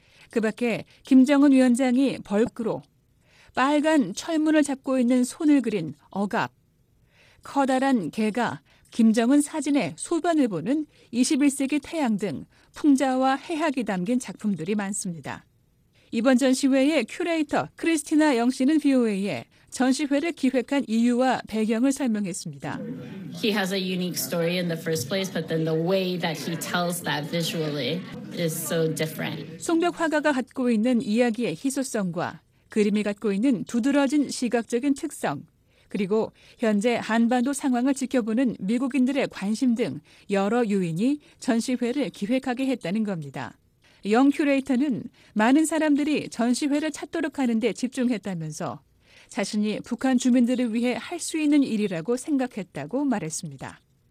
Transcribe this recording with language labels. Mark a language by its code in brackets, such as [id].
[ko] 그 밖에 김정은 위원장이 벌크로 빨간 철문을 잡고 있는 손을 그린 억압, 커다란 개가 김정은 사진의 소변을 보는 21세기 태양 등 풍자와 해학이 담긴 작품들이 많습니다. 이번 전시회의 큐레이터 크리스티나 영 씨는 VOA에 전시회를 기획한 이유와 배경을 설명했습니다. [en] He has a unique story in the first place, but then the way that he tells that visually is so different. [ko] 송벽 화가가 갖고 있는 이야기의 희소성과 그림이 갖고 있는 두드러진 시각적인 특성, 그리고 현재 한반도 상황을 지켜보는 미국인들의 관심 등 여러 요인이 전시회를 기획하게 했다는 겁니다. 영 큐레이터는 많은 사람들이 전시회를 찾도록 하는 데 집중했다면서 자신이 북한 주민들을 위해 할 수 있는 일이라고 생각했다고 말했습니다.